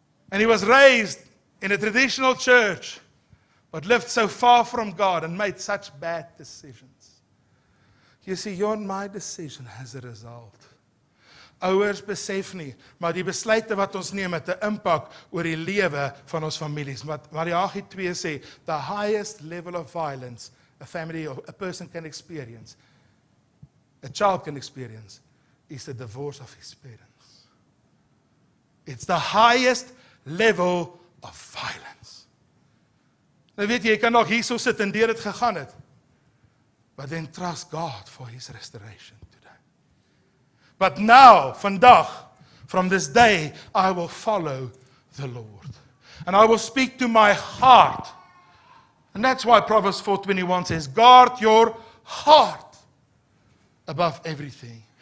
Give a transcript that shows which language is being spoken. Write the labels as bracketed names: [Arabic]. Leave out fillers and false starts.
[English] And he was raised in a traditional church, but lived so far from God and made such bad decisions. You see, your and my decision has a result. [Afrikaans] Ouers besef nie, maar die besluite wat ons neem het 'n impak oor die lewe van ons families. [English] Wat Malachi 2 sê, the highest level of violence a family or a person can experience, a child can experience, is the divorce of his parents. It's the highest level of violence. [Afrikaans] Nou weet jy, jy kan nog hier so sit en deur het gegaan het. [English] But then trust God for his restoration today. But now, vandag, from this day, I will follow the Lord. And I will speak to my heart. And that's why Proverbs 4:21 says, guard your heart above everything.